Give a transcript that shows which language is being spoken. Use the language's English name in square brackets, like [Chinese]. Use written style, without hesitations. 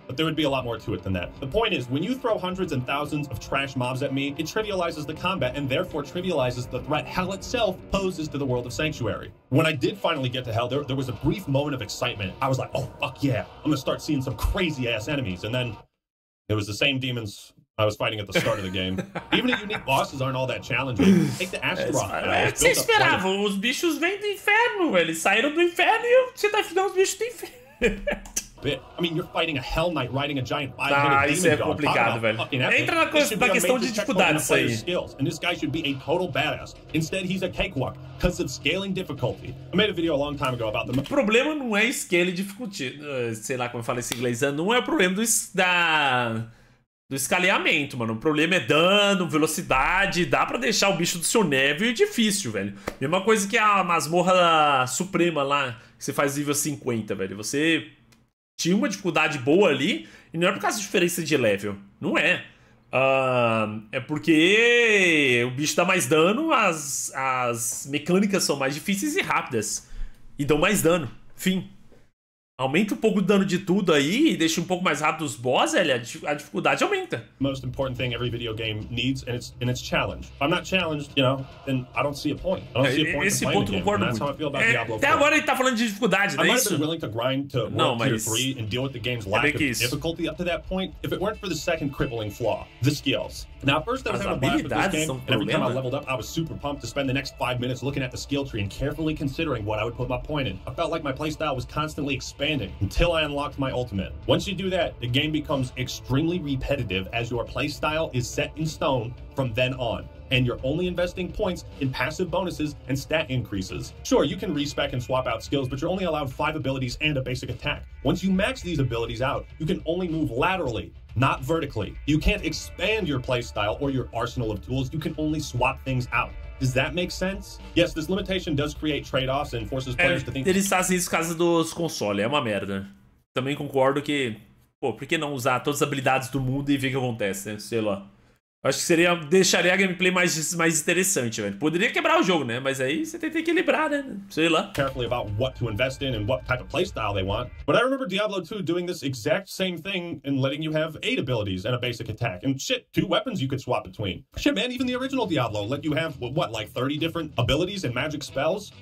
[English] But there would be a lot more to it than that. The point is, when you throw hundreds and thousands of trash mobs at me, it trivializes the combat and therefore trivializes the threat Hell itself poses to the world of Sanctuary. When I did finally get to Hell, there was a brief moment of excitement. I was like, oh, fuck yeah, I'm gonna start seeing some crazy-ass enemies. And then it was the same demons I was fighting at the start of the game. Even the unique bosses aren't all that challenging. Take the Astaroth. [Portuguese] Você esperava? Os bichos vêm do inferno, eles saíram do inferno e você tá afinal os bichos do inferno. [English] I mean, you're fighting a Hell Knight riding a giant five-headed demon dog. [Portuguese] Isso é complicado, velho. Entra na questão de dificuldade isso aí. [English] Skills, and this guy should be a total badass. Instead, he's a cakewalk because of scaling difficulty. I made a video a long time ago about the... [Portuguese] O problema não é scale e dificuldade. Sei lá como eu falo esse inglês. Não é o problema da... do escaleamento, mano. O problema é dano, velocidade. Dá pra deixar o bicho do seu nível difícil, velho. Mesma coisa que a masmorra suprema lá, que você faz nível 50, velho. Você tinha uma dificuldade boa ali, e não é por causa da diferença de level. Não é. É porque o bicho dá mais dano, as mecânicas são mais difíceis e rápidas. E dão mais dano. Fim. Aumenta um pouco o dano de tudo aí e deixa um pouco mais rápido os boss, velho, a dificuldade aumenta. [English] Most important thing every video game needs and it's challenge. If I'm not challenged, you know, then I don't see a point. [Portuguese] Esse ponto concordo muito. Até agora ele tá falando de dificuldade, né? [English] I'm willing to grind to tier 3 and deal with the game's lack of difficulty up to that point if it weren't for the second crippling flaw, the skills. Now, at first I was having a blast with this game, and every time I leveled up, I was super pumped to spend the next 5 minutes looking at the skill tree and carefully considering what I would put my point in. I felt like my playstyle was constantly expanding until I unlocked my ultimate. Once you do that, the game becomes extremely repetitive as your playstyle is set in stone from then on, and you're only investing points in passive bonuses and stat increases. Sure, you can respec and swap out skills, but you're only allowed 5 abilities and a basic attack. Once you max these abilities out, you can only move laterally, not vertically. You can't expand your playstyle or your arsenal of tools, you can only swap things out. Does that make sense? Yes, this limitation does create trade-offs and forces players to think... [Portuguese] Ele está assim por causa dos consoles, é uma merda. Também concordo que... Pô, por que não usar todas as habilidades do mundo e ver o que acontece, né? Sei lá. Acho que seria, deixaria a gameplay mais interessante, velho. Poderia quebrar o jogo, né? Mas aí você tem que equilibrar, né? Sei lá. [English] Carefully about what to invest in and what type of playstyle they want. But I remember Diablo 2 doing this exact same thing and letting you have 8 abilities and a basic attack. And shit, 2 weapons you could swap between. Shit, man, even the original Diablo let you have, what, like 30 different abilities and magic spells?